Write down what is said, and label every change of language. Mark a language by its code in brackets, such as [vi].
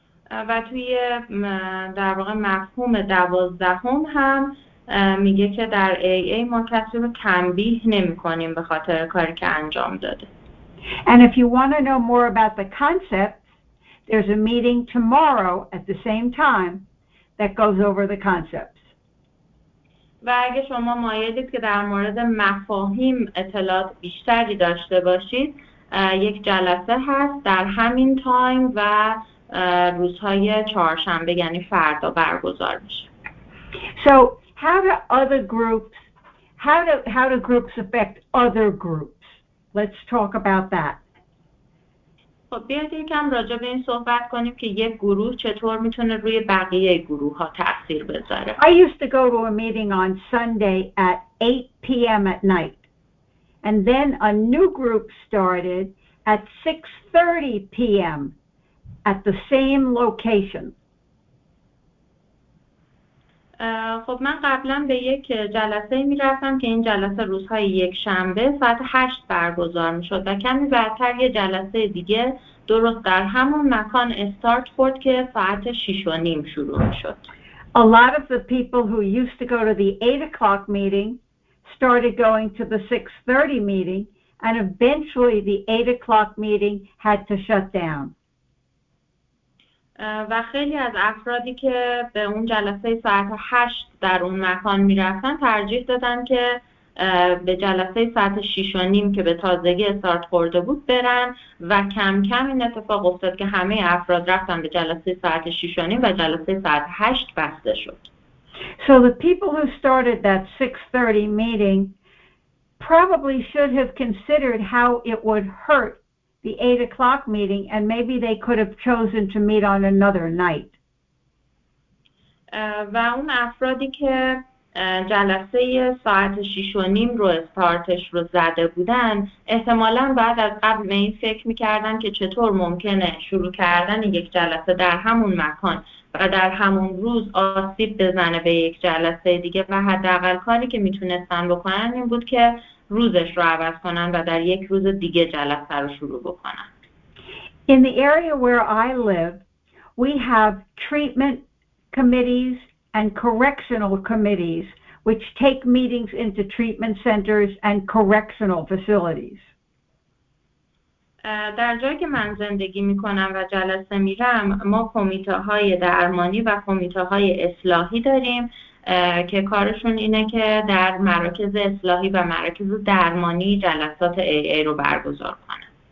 [fa] و توی در واقع مفهوم دوازدهم هم میگه که در AA ما کسی رو تنبیه نمی کنیم به خاطر کاری که انجام داده. [en] And if you want to know more about the concept, there's a meeting tomorrow at the same time that goes over the concepts. [fa] و اگه شما مایلید که در مورد مفاهیم اطلاعات بیشتری داشته باشید، یک جلسه هست در همین تایم و روزهای چهارشنبه یعنی فردا برگزار میشه. [en] So, how do groups affect other groups? Let's talk about that. [fa] خب بیاید یکم راجع به این صحبت کنیم که یک گروه چطور میتونه روی بقیه گروه ها تأثیر بذاره. [en] I used to go to a meeting on Sunday at 8 p.m. at night. And then a new group started at 6:30 p.m. at the same location. [fa] خب من قبلا به یک جلسه می رفتم که این جلسه روزهای یک شنبه ساعت 8 برگزار می شد و کمی بعدتر یه جلسه دیگه درست در همون مکان استارت خورد که ساعت 6:30 شروع می شد. [en] A lot of the people who used to go to the 8 o'clock meeting started going to the 6:30 meeting and eventually the 8 o'clock meeting had to shut down. [fa] و خیلی از افرادی که به اون جلسه ساعت 8 در اون مکان می رفتن ترجیح دادن که به جلسه ساعت 6:30 که به تازگی استارت خورده بود برن، و کم کم این اتفاق افتاد که همه افراد رفتن به جلسه ساعت 6:30 و جلسه ساعت 8 بسته شد. [en] So the people who started that 6:30 meeting probably should have considered how it would hurt the 8 o'clock meeting, and maybe they could have chosen to meet on another night. [fa] و اون افرادی که جلسه ساعت 6:30 رو استارتش رو زده بودن، احتمالا بعد از قبل به این فکر میکردن که چطور ممکنه شروع کردن یک جلسه در همون مکان و در همون روز آسیب بزنه به یک جلسه دیگه، و حداقل کاری که میتونستن بکنن این بود که روزش رو عوض کنن و در یک روز دیگه جلسه رو شروع بکنن. [en] In the area where I live, we have treatment committees and correctional committees, which take meetings into treatment centers and correctional facilities. [fa] در جایی که من زندگی میکنم و جلسه میرم، ما کمیته‌های درمانی و کمیته‌های اصلاحی داریم که کارشون اینه که در مراکز اصلاحی و مراکز درمانی جلسات AA رو برگزار کنن.